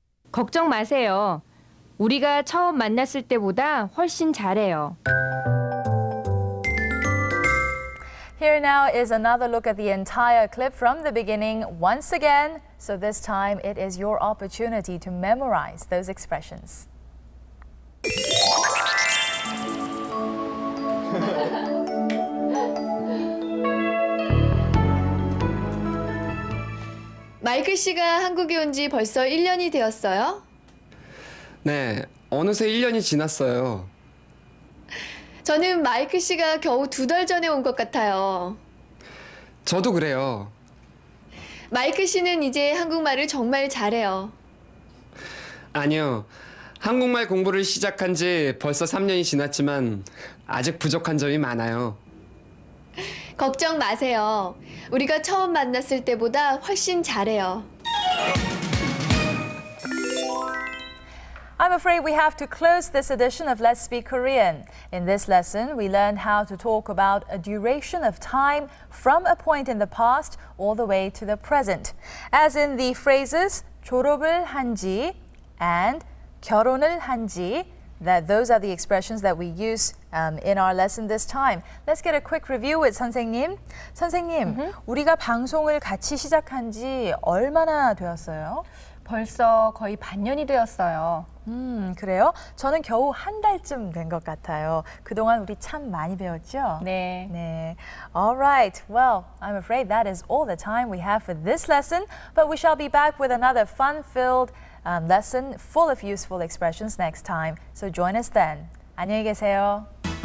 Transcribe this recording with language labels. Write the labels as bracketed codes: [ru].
[ko] 걱정 마세요. 우리가 처음 만났을 때보다 훨씬 잘해요. [en] Here now is another look at the entire clip from the beginning once again. So this time, it is your opportunity to memorize those expressions. [ko] 마이클 씨가 한국에 온 지 벌써 1년이 되었어요? 네, 어느새 1년이 지났어요. 저는 마이클 씨가 겨우 두 달 전에 온 것 같아요. 저도 그래요. 마이클 씨는 이제 한국말을 정말 잘해요. 아니요. 한국말 공부를 시작한 지 벌써 3년이 지났지만 아직 부족한 점이 많아요. 걱정 마세요. 우리가 처음 만났을 때보다 훨씬 잘해요. [en] I'm afraid we have to close this edition of Let's Speak Korean. In this lesson, we learned how to talk about a duration of time from a point in the past all the way to the present. As in the phrases [ko] 졸업을 한지 [en] and [ko] 결혼을 한지, [en] that those are the expressions that we use in our lesson this time. Let's get a quick review with 선생님. 선생님, mm-hmm. [ko] 우리가 방송을 같이 시작한 지 얼마나 되었어요? 벌써 거의 반년이 되었어요. 그래요? 저는 겨우 한 달쯤 된 것 같아요. 그동안 우리 참 많이 배웠죠? 네. 네. [en] All right. Well, I'm afraid that is all the time we have for this lesson. But we shall be back with another fun-filled lesson full of useful expressions next time. So join us then. [ko] 안녕히 계세요.